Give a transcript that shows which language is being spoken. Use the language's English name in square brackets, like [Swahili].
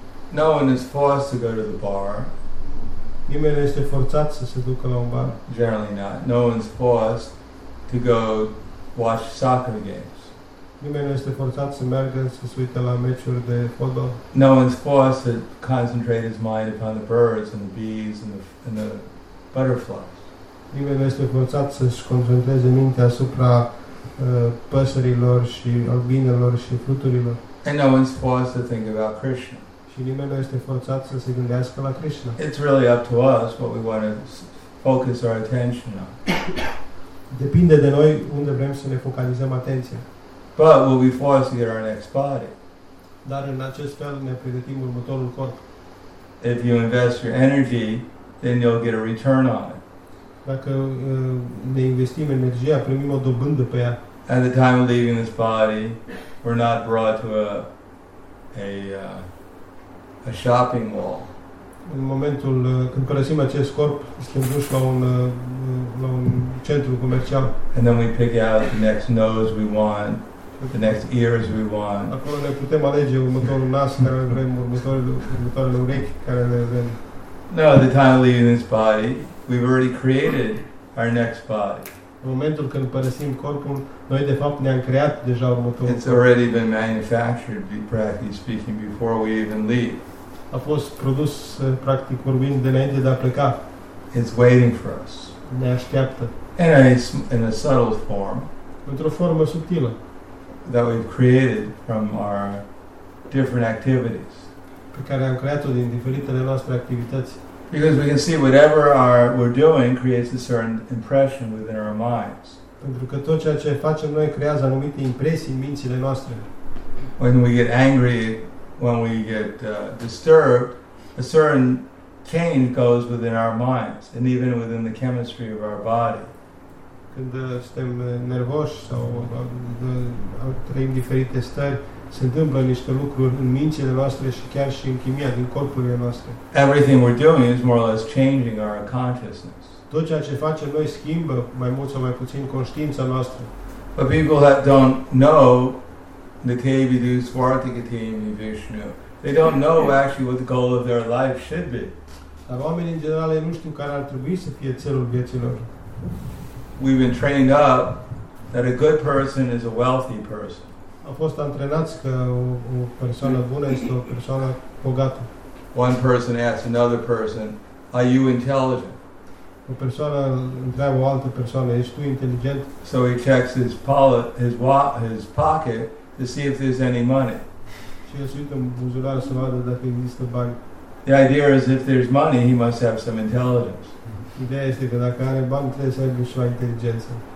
[English] No one is forced to go to the bar. [Romanian] Nimeni este forțat să se ducă la un bar. [English] Generally not. No one's forced to go watch soccer games. [Romanian] Nimeni este forțat să meargă să se uite la meciuri de fotbal. [English] No one's forced to concentrate his mind upon the birds and the bees and the butterflies. [Romanian] Nimeni este forțat să-și concentreze mintea asupra păsărilor și albinelor și fluturilor. [English] And no one's forced to think about Krishna. [Romanian] Și nimeni nu este forțat să se gândească la Krishna. [English] It's really up to us what we want to focus our attention on. [Romanian] Depinde de noi unde vrem să ne focalizăm atenția. [English] But we'll be forced to get our next body. [Romanian] Dar în acest fel ne pregătim următorul corp. [English] If you invest your energy, then you'll get a return on it. [Romanian] Dacă ne investim energia, primim o dobândă pe ea. [English] At the time of leaving this body, we're not brought to a shopping mall. [Romanian] În momentul când părăsim acest corp, suntem duși la un centru comercial. [English] And then we pick out the next nose we want, the next ears we want. [Romanian] Acolo ne putem alege următorul nas care vrem, următoarele urechi care le vrem. [English] No, at the time of leaving this body, we've already created our next body. [Romanian] În momentul când părăsim corpul, noi de fapt ne-am creat deja următorul. [English] It's already been manufactured, practically speaking, before we even leave. [Romanian] A fost produs, practic vorbind, de înainte de a pleca. [English] It's waiting for us. [Romanian] Ne așteaptă. [English] In a subtle form. [Romanian] Într-o formă subtilă. [English] That we've created from our different activities. [Romanian] Pe care am creat-o din diferitele noastre activități. [English] Because we can see whatever we're doing creates a certain impression within our minds. [Romanian] Pentru că tot ceea ce facem noi creează anumite impresii în mințile noastre. [English] When we get angry, when we get disturbed, a certain change goes within our minds and even within the chemistry of our body. [Romanian] Când suntem nervoși sau trăim diferite stări, se întâmplă niște lucruri în mințile noastre și chiar și în chimia din corpurile noastre. [English] Everything we're doing is more or less changing our consciousness. [Romanian] Tot ceea ce facem noi schimbă mai mult sau mai puțin conștiința noastră. [English] But people that don't know Nityavidu, Swarthi, Gatimi, Vishnu. They don't know actually what the goal of their life should be. [Romanian] Dar oamenii în general nu știu care ar trebui să fie țelul vieții lor. [English] We've been trained up that a good person is a wealthy person. [Romanian] Am fost antrenați că o persoană bună este o persoană bogată. [English] One person asks another person, are you intelligent? [Romanian] O persoană întreabă o altă persoană, ești tu inteligent? [English] So he checks his wallet, his pocket to see if there's any money. [Romanian] Și el se uită în buzunar să vadă dacă există bani. [English] The idea is if there's money, he must have some intelligence. [Romanian] Ideea este că dacă are bani, trebuie să aibă ceva inteligență.